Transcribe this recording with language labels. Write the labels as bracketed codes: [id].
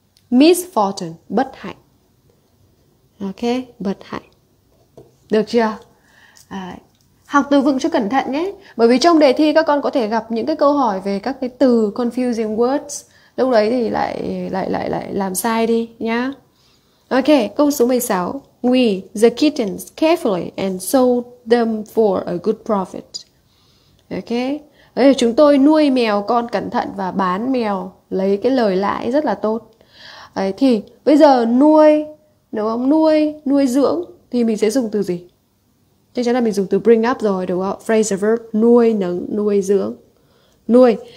[vi] Miss fortune, bất hạnh. Ok, bất hạnh. Được chưa? À, học từ vựng cho cẩn thận nhé. Bởi vì trong đề thi các con có thể gặp những cái câu hỏi về các cái từ confusing words. Lúc đấy thì lại lại lại lại làm sai đi nhá. Ok, câu số 16. [en] We, the kittens, carefully and sold them for a good profit. Ok. [vi] Chúng tôi nuôi mèo con cẩn thận và bán mèo lấy cái lời lãi rất là tốt. Đấy, thì bây giờ nuôi, đúng không? Nuôi, nuôi dưỡng thì mình sẽ dùng từ gì? Chắc chắn là mình dùng từ bring up rồi, đúng không? Phrasal verb, nuôi nấng, nuôi dưỡng. Nuôi.